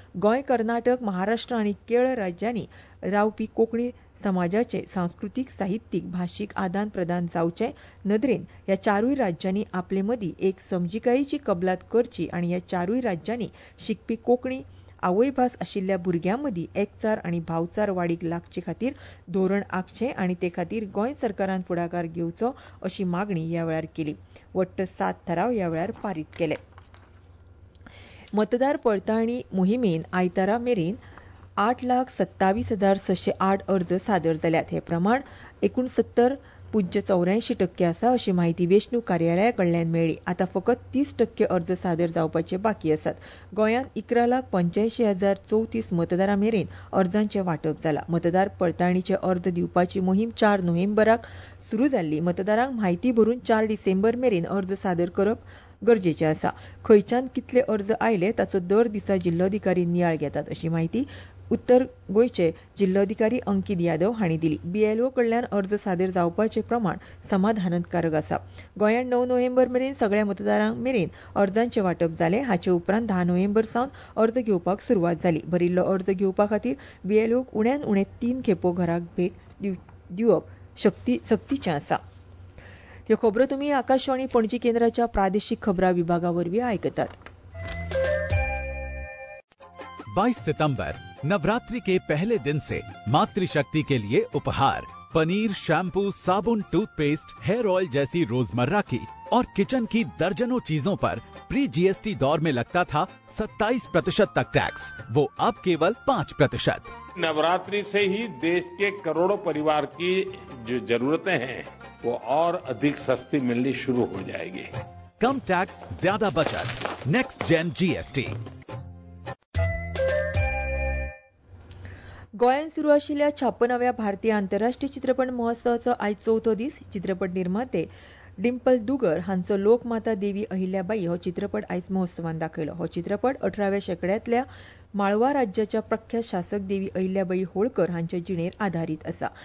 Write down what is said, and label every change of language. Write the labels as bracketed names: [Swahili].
[Konkani] गोंय, कर्नाटक, महाराष्ट्र आनी केरळ राज्यांनी रावपी कोंकणी समाजाचे सांस्कृतीक, साहित्यीक, भाशीक आदान प्रदान जावचे नदरेन ह्या 4 राज्यांनी आपले मदीं एक समजिकायेची कबलात करची आनी ह्या 4 राज्यांनी शिकपी कोंकणी आवयभास आशिल्ल्या भुरग्यां मदीं एकचार आनी भावचार वाडीक लागचे खातीर धोरण आंखचे आनी ते खातीर गोंय सरकारान फुडाकार घेवचो अशी मागणी ह्या वेळार केली. वट्ट 7 थाराव ह्या वेळार पारित केले. मतदार पडताळणी मोहिमेन आयतारा मेरेन 8,27,608 अर्ज सादर जाल्यात. हे प्रमाण 69.84% आसा अशी माहिती वेंचणूक कार्यालयाकडल्यान मेळ्ळी. आतां फकत 30% अर्ज सादर जावपाचे बाकी आसात. गोंयांत 11,85,034 मतदारां मेरेन अर्जांचे वांटप जालां. मतदार पडताळणीचे अर्ज दिवपाची मोहीम 4 नोव्हेंबराक सुरू जाल्ली. मतदारांक म्हायती भरून 4 डिसेंबर मेरेन अर्ज सादर करप गरजेचे आसा. खंयच्यान कितले अर्ज आयले ताचो दर दिसा जिल्होधिकारी नियाळ घेतात अशी माहिती उत्तर गोंयचे जिल्होधिकारी अंकित यादव हांणी दिली. BLO कडल्यान अर्ज सादर जावपाचे प्रमाण समाधानकारक आसा. गोंयांत 9 नोव्हेंबर मेरेन सगळ्या मतदारांक मेरेन अर्जांचे वांटप जाले. हाचे उपरांत 10 नोव्हेंबर सावन अर्ज घेवपाक सुरवात जाली. भरिल्लो अर्ज घेवपा खातीर BLO उण्यान उणे 3 खेपो घराक भेट दिवप सक्तीचे आसा. ह्यो खबरो तुमी आकाशवाणी पणजी केंद्राच्या प्रादेशिक खबरां विभागावरवी आयकतात. [Hindi] 22 सितंबर नवरात्रि के पहले दिन से मातृशक्ति के लिए उपहार पनीर शैम्पू साबुन टूथपेस्ट हेयर ऑयल जैसी रोजमर्रा की और किचन की दर्जनों चीजों पर प्री जीएसटी दौर में लगता था 27% तक टैक्स वो अब केवल 5%। नवरात्रि से ही देश के करोड़ों परिवार की जो जरूरतें हैं वो और अधिक सस्ती मिलनी शुरू हो जाएगी। कम टैक्स ज्यादा बचत नेक्स्ट जेन जीएसटी। [Konkani] गोयन सुरू आशिया 56व्या भारतीय आंतरराष्ट्रीय चित्रपट महोत्सव आज चौथो दीस चित्रपट निर्माते डिंपल दुगर हांचो लोकमाता देवी अहिल्याबाई हो चित्रपट आज महोत्सवान दाखयलो। हो चित्रपट 18व्या शेकड्यातल्या माळवा राज्याच्या प्रख्यात शासक देवी अहिल्याबाई होळकर हांच्या जिणेर आधारित असा।